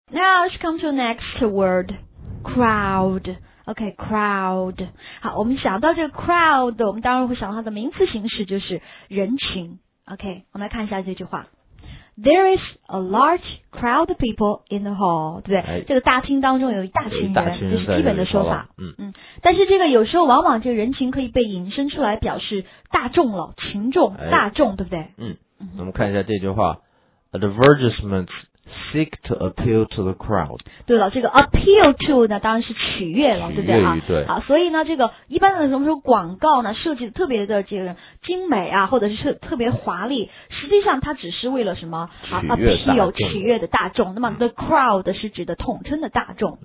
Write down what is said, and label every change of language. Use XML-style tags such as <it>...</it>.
<en>Now let's come to the next word, crowd. Okay, crowd.</en> <zh>好，我们想到这个 crowd， 我们当然会想到它的名词形式就是人群。 Okay， 我们来看一下这句话。</zh> <en>There is a large crowd of people in the hall，</en> <zh>对不对？哎、这个大厅当中有一大群人，群人这是基本的说法。嗯嗯。但是这个有时候往往这个人群可以被引申出来表示大众了，群众、哎、大众，对不对？嗯。我们看一下这句话</zh> <en>，advertisements seek to appeal to the crowd。</en> <zh>对了，这个 appeal to 呢，当然是取悦了，对不对啊？对。好，所以呢，这个一般的什么时候广告呢，设计的特别的这个精美啊，或者是特别华丽，实际上它只是为了什么啊 ？appeal 取悦的大众。那么 the crowd 是指的统称的大众。</zh>